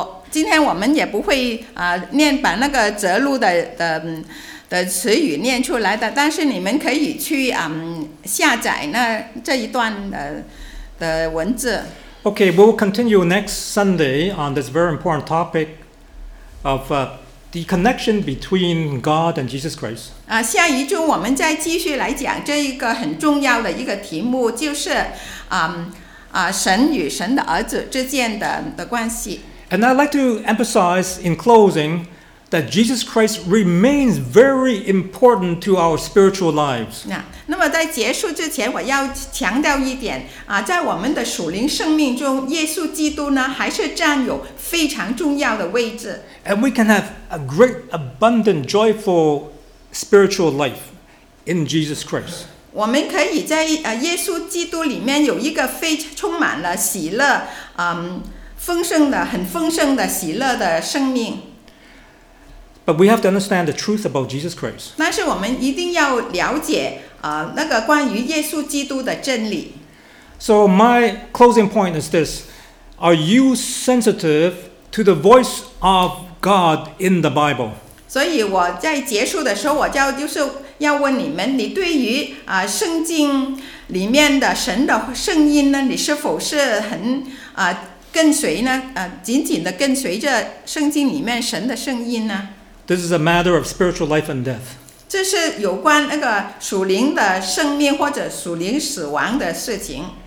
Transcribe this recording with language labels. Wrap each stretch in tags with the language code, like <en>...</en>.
<zh>今天我们也不会念把那个择录的词语念出来的，但是你们可以去下载那这一段的文字。</zh> <en>Okay, we'll continue next Sunday on this very important topic of the connection between God and Jesus Christ.</en> <zh>下一周我们再继续来讲这一个很重要的一个题目，就是神与神的儿子之间的关系。</zh> <en>And I'd like to emphasize in closing that Jesus Christ remains very important to our spiritual lives.</en> <zh>那么在结束之前我要强调一点，在我们的属灵生命中，耶稣基督呢还是占有非常重要的位置。</zh> <en>And we can have a great, abundant, joyful spiritual life in Jesus Christ.</en> <zh>我们可以在耶稣基督里面有一个非常充满了喜乐，丰盛的，很丰盛的喜乐的生命。</zh> <en>But we have to understand the truth about Jesus Christ.</en> <zh>但是我们一定要了解那个关于耶稣基督的真理。</zh> <en>So my closing point is this: Are you sensitive to the voice of God in the Bible?</en> <zh>所以我在结束的时候，我就是要问你们：你对于圣经里面的神的声音呢，你是否是很跟随呢？紧紧的跟随着圣经里面神的声音呢？</zh> <en>This is a matter of spiritual life and death.</en> <zh>这是有关那个属灵的生命或者属灵死亡的事情。</zh>